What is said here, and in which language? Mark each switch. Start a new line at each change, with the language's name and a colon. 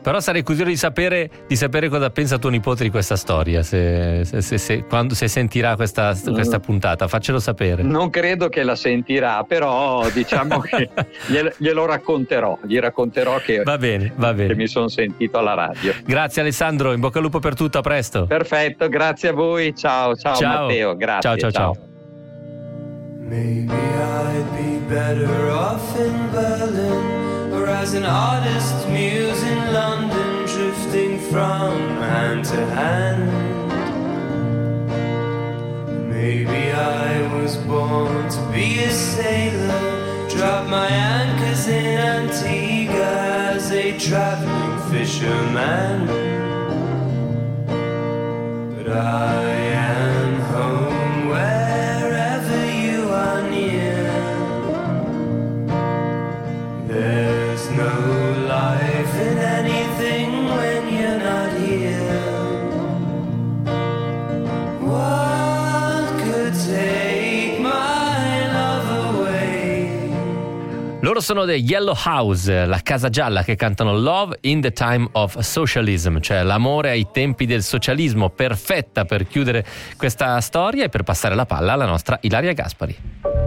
Italian: Però sarei curioso di sapere cosa pensa tuo nipote di questa storia, se sentirà questa puntata, faccelo sapere. Non credo che la sentirà, però diciamo che gli racconterò che, va bene. Che mi sono sentito alla radio. Grazie Alessandro, in bocca al lupo per tutto, a presto. Perfetto, grazie a voi, ciao. Matteo, grazie, ciao.
English: Maybe I'd be better off in Berlin, or as an artist muse in London, drifting from hand to hand. Maybe I was born to be a sailor, drop my anchors in Antigua as a traveling fisherman. But I am home. There's no life in anything when you're not here. What could take my love away?
Italian: Loro sono The Yellow House, la casa gialla, che cantano Love in the Time of Socialism, cioè l'amore ai tempi del socialismo, perfetta per chiudere questa storia e per passare la palla alla nostra Ilaria Gaspari.